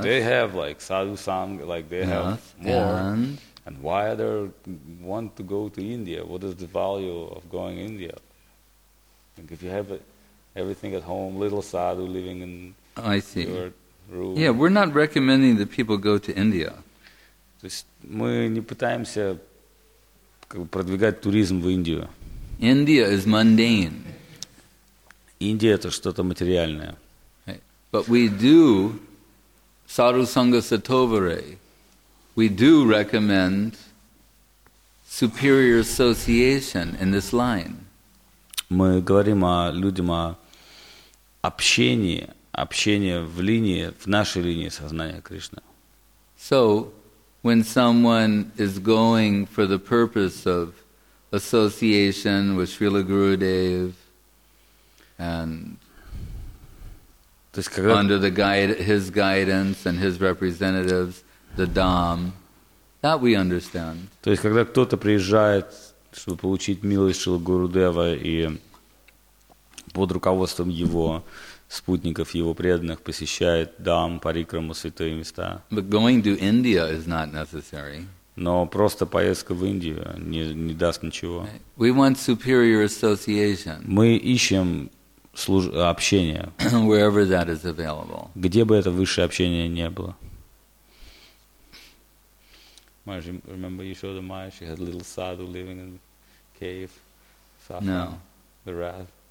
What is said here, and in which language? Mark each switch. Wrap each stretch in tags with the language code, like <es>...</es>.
<en>They have like sadhu sangha, like they have more. And why other want to go to India? What is the value of going to India? Like, if you have everything at home, little sadhu living in your room. Yeah, we're not recommending that people go to India.</en> <ru>То есть мы не пытаемся как бы продвигать туризм в Индию.</ru> <en>India is mundane.</en> <ru>Индия — это что-то материальное.</ru> <en>But we do sadhu sangha satovare. We do recommend superior association in this line.</en> <ru>Мы говорим о людям, о общении, общение в линии, в нашей линии сознания Кришны.</ru> <en>So, when someone is going for the purpose of association with Srila Gurudev and under the his guidance and his representatives, the Dham, that we understand.</en> <ru>То есть, когда кто-то приезжает, чтобы получить милость Шрилы Гурудева и под руководством его спутников, его преданных, посещает Дам, Парикраму, святые места.</ru> <en>But going to India is not necessary.</en> <ru>Но просто поездка в Индию не даст ничего.</ru> <en>We want superior association.</en> <ru>Мы ищем общение.</ru> <en>Wherever that is available.</en> <ru>Где бы это высшее общение не было.</ru> <en>Maharaj, remember you showed the Maya, she had little sadhu living in the cave, suffering the wrath.</en>